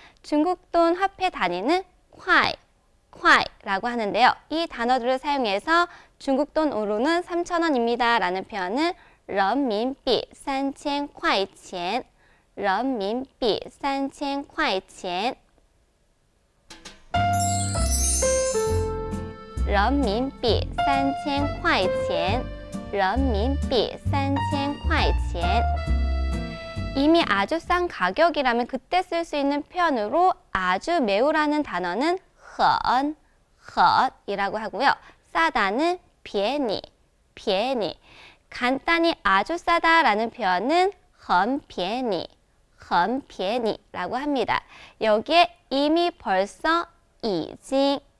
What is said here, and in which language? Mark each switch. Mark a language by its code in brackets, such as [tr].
[ko] 중국 돈 화폐 단위는 콰이, 콰이라고 하는데요. 이 단어들을 사용해서 중국 돈으로는 삼천원입니다 라는 표현은 런민비 산첸 콰이첸, 런민비 산첸 콰이첸. [zh] 人民币 3,000块钱, 人民币 3,000块钱. [ko] 이미 아주 싼 가격이라면 그때 쓸 수 있는 표현으로 아주 매우라는 단어는 헌, 헛이라고 하고요. 싸다는 비에니, 비에니. 간단히 아주 싸다라는 표현은 헌 비에니, 헌 비에니라고 합니다. 여기에 이미 벌써 이징,